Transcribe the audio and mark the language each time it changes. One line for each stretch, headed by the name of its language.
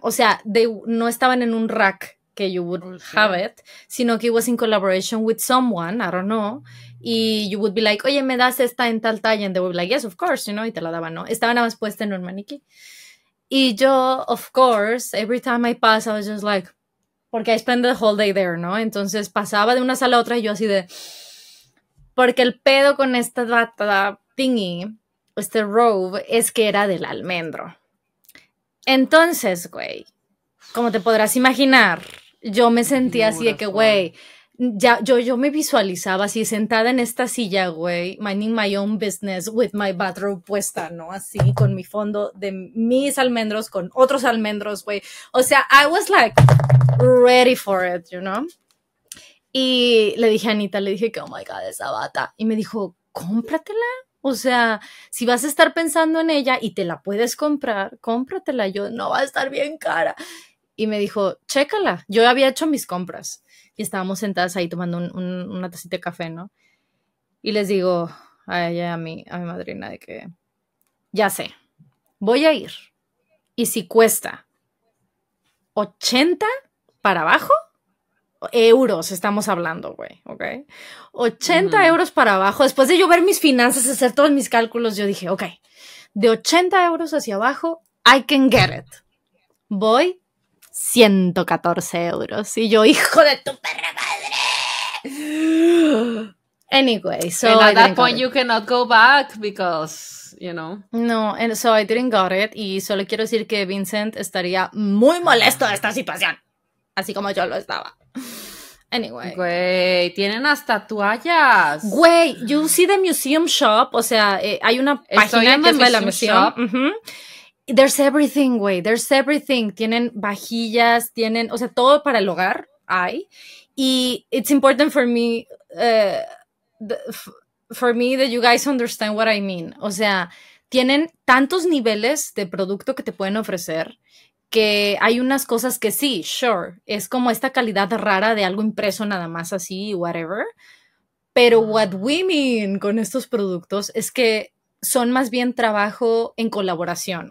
Spanish: O sea,
English: they
Spanish: no estaban en un rack que
English: you would have it,
Spanish: sino que
English: it was in collaboration with someone, I don't know,
Spanish: y
English: you would be like,
Spanish: oye, ¿me das esta en tal talla?
English: And they would be like, yes, of course, you know,
Spanish: y te la daban, ¿no? Estaban nada más puesta en un maniquí. Y yo,
English: of course, every time I pass, I was just like,
Spanish: porque
English: I spend the whole day there,
Spanish: ¿no? Entonces pasaba de una sala a otra y yo así de, porque el pedo con esta
English: thingy,
Spanish: este robe, es que era del almendro. Entonces, güey, como te podrás imaginar, yo me sentía así de que, güey, ya, yo me visualizaba así sentada en esta silla, güey,
English: minding my own business with my bathrobe
Spanish: puesta, ¿no? Así con mi fondo de mis almendros con otros almendros, güey. O sea,
English: I was like ready for it, you know?
Spanish: Y le dije a Anita, le dije que,
English: oh my God,
Spanish: esa bata. Y me dijo, cómpratela. O sea, si vas a estar pensando en ella y te la puedes comprar, cómpratela. Yo, no va a estar bien cara. Y me dijo, chécala. Yo había hecho mis compras. Y estábamos sentadas ahí tomando una tacita de café, ¿no? Y les digo a ella, a mi madrina, de que ya sé, voy a ir. Y si cuesta 80 para abajo, euros estamos hablando, güey, ¿ok? 80 euros para abajo. Después de yo ver mis finanzas, hacer todos mis cálculos, yo dije, ok, de 80 euros hacia abajo,
English: I can get it.
Spanish: Voy 114 euros. Y yo, hijo de tu perra madre.
English: Anyway, so. And at that point, you cannot go back because, you know. No, and so I didn't got it.
Spanish: Y solo quiero decir que Vincent estaría muy molesto de esta situación. Así como yo lo estaba.
English: Anyway.
Spanish: Güey, tienen hasta toallas.
English: Güey, you see the museum shop.
Spanish: O sea, hay una página en que es la
English: museum shop. There's everything,
Spanish: güey. There's everything. Tienen vajillas, tienen, o sea, todo para el hogar hay.
English: Y it's important for me, that you guys understand what I mean.
Spanish: O sea, tienen tantos niveles de producto que te pueden ofrecer que hay unas cosas que sí,
English: sure,
Spanish: es como esta calidad rara de algo impreso nada más así,
English: whatever.
Spanish: Pero
English: what we mean
Spanish: con estos productos es que son más bien trabajo en colaboración.